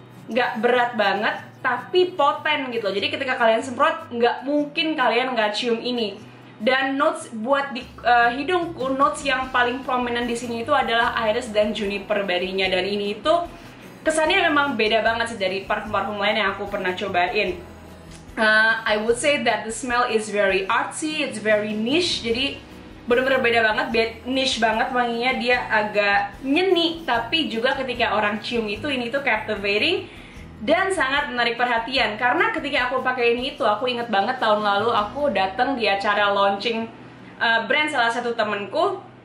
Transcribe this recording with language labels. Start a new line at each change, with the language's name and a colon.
Indonesian: Nggak berat banget, tapi poten gitu. Jadi ketika kalian semprot, nggak mungkin kalian nggak cium ini. Dan notes buat di hidungku, notes yang paling prominent di sini itu adalah iris dan juniper berry-nya. Dan ini itu kesannya memang beda banget sih dari parfum-parfum lain yang aku pernah cobain.
English: I would say that the smell is very artsy, it's very niche.
Indonesian: Jadi benar-benar beda banget, niche banget wanginya. Dia agak nyeni, tapi juga ketika orang cium itu, ini tuh captivating dan sangat menarik perhatian. Karena ketika aku pakai ini itu, aku inget banget tahun lalu aku datang di acara launching brand salah satu temanku.